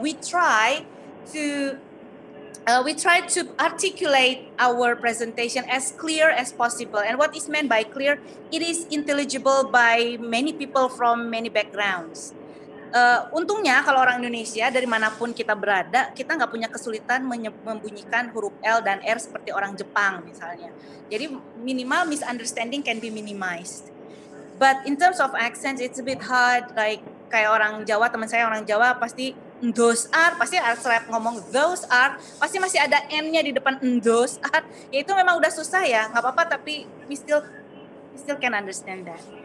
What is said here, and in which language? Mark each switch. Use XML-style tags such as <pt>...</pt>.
<en>We try to articulate our presentation as clear as possible. And what is meant by clear? It is intelligible by many people from many backgrounds.</en> <id>Untungnya kalau orang Indonesia dari manapun kita berada, kita nggak punya kesulitan membunyikan huruf L dan R seperti orang Jepang misalnya. Jadi minimal</id> <en>misunderstanding can be minimized. But in terms of accents, it's a bit hard. Like</en> <id>kayak orang Jawa, teman saya orang Jawa pasti</id> <en>those are,</en> <id>pasti setelah ngomong those are, pasti masih ada N-nya di depan those are. Ya itu memang udah susah ya, nggak apa-apa. Tapi</id> <en>we still can understand that.</en>